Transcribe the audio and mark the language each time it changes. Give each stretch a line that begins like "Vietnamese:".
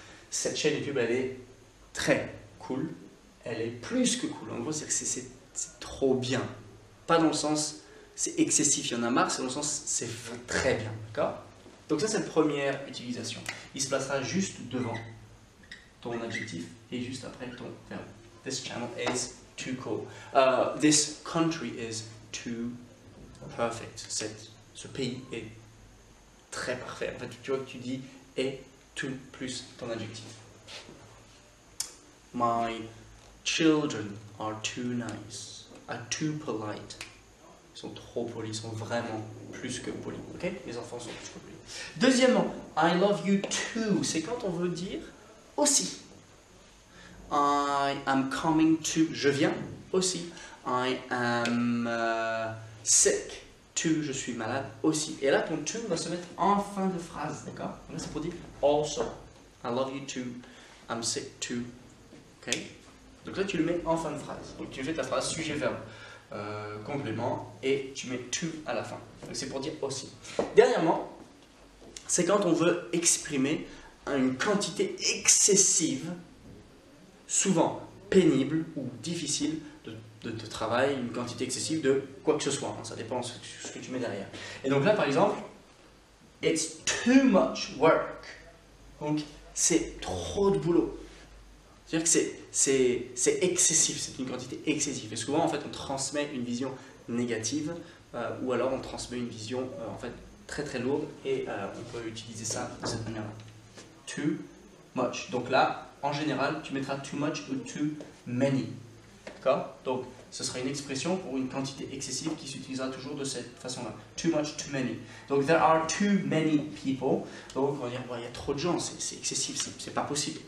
French: Cette chaîne YouTube, elle est très cool, elle est plus que cool. En gros, c'est que c'est trop bien. Pas dans le sens c'est excessif, il y en a marre, c'est dans le sens c'est très bien, d'accord? Donc ça c'est la première utilisation. Il se placera juste devant ton adjectif et juste après ton verbe.
English: This channel is too cool. This country is too perfect.
French: Ce pays est très parfait. En fait, tu vois que tu dis est tout plus ton adjectif.
English: My children are too nice, are too polite.
French: Ils sont trop polis, ils sont vraiment plus que polis, ok? Les enfants sont plus que polis. Deuxièmement,
English: I love you too,
French: c'est quand on veut dire aussi.
English: I am coming to,
French: je viens aussi.
English: I am sick too,
French: je suis malade aussi. Et là, ton too va se mettre en fin de phrase, d'accord? Là, c'est pour dire also.
English: I love you too, I'm sick too, ok?
French: Donc là, tu le mets en fin de phrase. Donc tu fais ta phrase sujet-verbe. Complément et tu mets to à la fin. Donc c'est pour dire aussi. Dernièrement, c'est quand on veut exprimer une quantité excessive, souvent pénible ou difficile de travail, une quantité excessive de quoi que ce soit. Hein, ça dépend de ce que tu mets derrière. Et donc là, par exemple,
English: it's too much work.
French: Donc c'est trop de boulot. C'est-à-dire que c'est excessif, c'est une quantité excessive. Et souvent, en fait, on transmet une vision négative ou alors on transmet une vision en fait, très très lourde et on peut utiliser ça de cette manière-là. Too much. Donc là, en général, tu mettras too much ou too many. D'accord? Donc, ce sera une expression pour une quantité excessive qui s'utilisera toujours de cette façon-là.
English: Too much, too many. Donc, there are too many people.
French: Donc, on va dire, il y a trop de gens, c'est excessif, c'est pas possible.